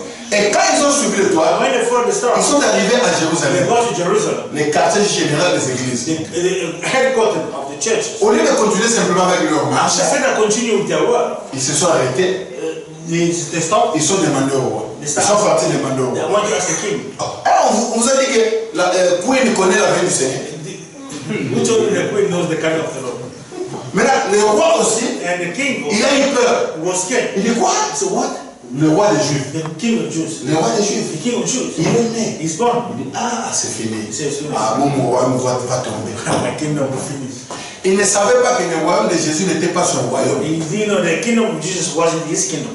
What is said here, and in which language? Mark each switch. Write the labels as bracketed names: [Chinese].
[French] Et quand ils ont suivi l'étoile, ils sont arrivés à Jérusalem, le quartier général des églises. [English] The of the church. [French] Au lieu de continuer simplement avec leur marche, [English] they continue with their work. [French] Ils se sont arrêtés. [English] They stop. [French] Ils sont demandés au roi. [English] They [French] ils sont partis demander au roi. [English] They want to ask the king. [French] Alors, on vous a dit que la queen connaît la vie du Seigneur. [English] Who told you the queen knows the kind of the Lord? [French] Maintenant, le roi aussi, [English] and the king [French] il a eu peur. [English] Was scared. [French] Il dit quoi? [English] So what? [French] Le roi des Juifs. [English] The king of Jews. [French] Le roi des Juifs. [English] The king of Jews. [French] Il est né. [English] He's born. [French] Il dit, ah, c'est fini. C'est fini. Ah, mon royaume va tomber. [English] My kingdom will finish. [French] Il ne savait pas que le royaume de Jésus n'était pas son royaume. [English] He didn't know the kingdom of Jesus wasn't his kingdom.